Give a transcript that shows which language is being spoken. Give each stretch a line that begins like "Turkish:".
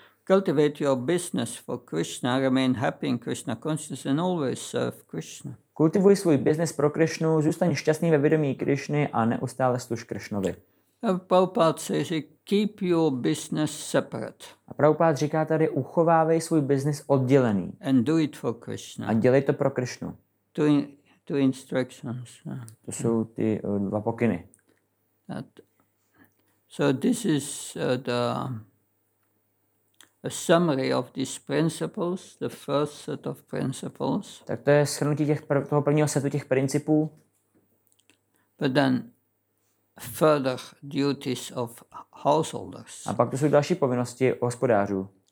English: Cultivate your business for Krishna, remain happy in Krishna consciousness and always serve Krishna.
Czech: Kultivuj svůj biznis pro Krišnu, zůstaň šťastný ve vědomí Krišny a neustále služ Krišnovi.
English: A Prabhupada says, keep your business separate.
Czech: A Prabhupada říká tady, uchovávej svůj biznis oddělený.
English: And do it for Krishna.
Czech: A dělej to pro Krišnu.
English: Two instructions.
Czech: To jsou ty dva pokyny.
English: So this is a summary of these principles, the first set of principles.
Czech: Tak to je shrnutí toho prvního setu těch principů.
English: But then further duties of householders.
Czech: A pak to jsou další povinnosti hospodářů.